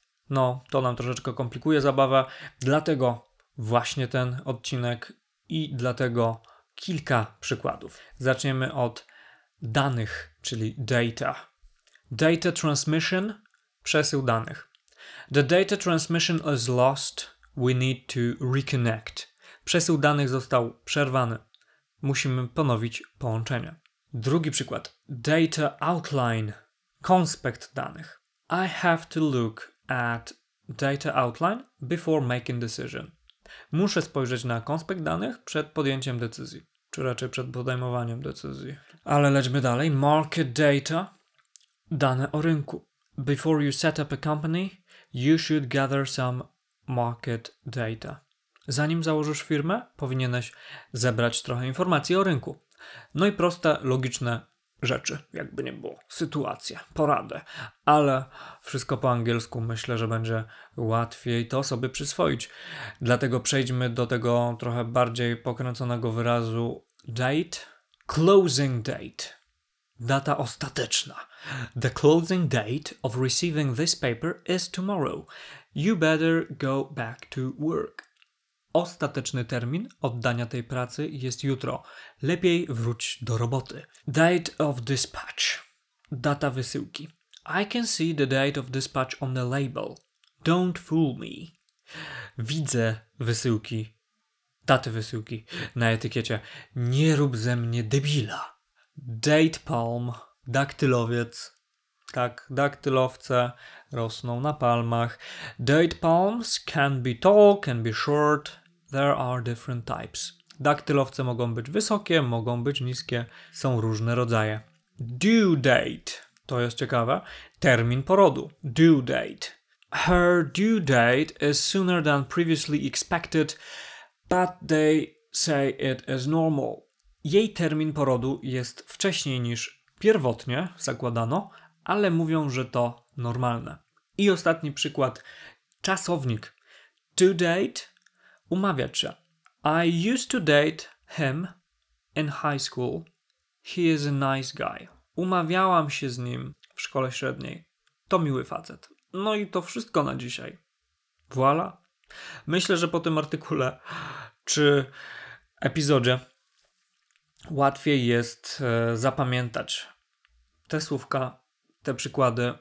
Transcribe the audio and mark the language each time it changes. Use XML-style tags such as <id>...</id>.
<pl>No, to nam troszeczkę komplikuje zabawę, dlatego właśnie ten odcinek i dlatego kilka przykładów. Zaczniemy od danych, czyli data. Data transmission, przesył danych.</pl> <en>The data transmission is lost, we need to reconnect.</en> <pl>Przesył danych został przerwany, musimy ponowić połączenie. Drugi przykład. Data outline, konspekt danych.</pl> <en>I have to look at data outline before making decision.</en> <pl>Muszę spojrzeć na konspekt danych przed podjęciem decyzji, czy raczej przed podejmowaniem decyzji. Ale lećmy dalej. Market data, dane o rynku.</pl> <en>Before you set up a company, you should gather some market data.</en> <pl>Zanim założysz firmę, powinieneś zebrać trochę informacji o rynku. No i proste, logiczne rzeczy, jakby nie było. Sytuacje, porady. Ale wszystko po angielsku, myślę, że będzie łatwiej to sobie przyswoić. Dlatego przejdźmy do tego trochę bardziej pokręconego wyrazu date. Closing date. Data ostateczna.</pl> <en>The closing date of receiving this paper is tomorrow. You better go back to work.</en> <pl>Ostateczny termin oddania tej pracy jest jutro. Lepiej wróć do roboty.</pl> <en>Date of dispatch.</en> <pl>Data wysyłki.</pl> <en>I can see the date of dispatch on the label. Don't fool me.</en> <pl>Widzę wysyłki. Datę wysyłki na etykiecie. Nie rób ze mnie debila. Date palm. Daktylowiec. Tak, daktylowce rosną na palmach.</pl> <en>Date palms can be tall, can be short. There are different types.</en> <pl>Daktylowce mogą być wysokie, mogą być niskie. Są różne rodzaje. Due date. To jest ciekawe. Termin porodu. Due date.</pl> <en>Her due date is sooner than previously expected, but they say it is normal.</en> <pl>Jej termin porodu jest wcześniej niż pierwotnie zakładano, ale mówią, że to normalne. I ostatni przykład. Czasownik. To date. Umawiać się.</pl> <en>I used to date him in high school. He is a nice guy.</en> <pl>Umawiałam się z nim w szkole średniej. To miły facet. No i to wszystko na dzisiaj. Voilà. Myślę, że po tym artykule czy epizodzie łatwiej jest zapamiętać te słówka, te przykłady.</pl>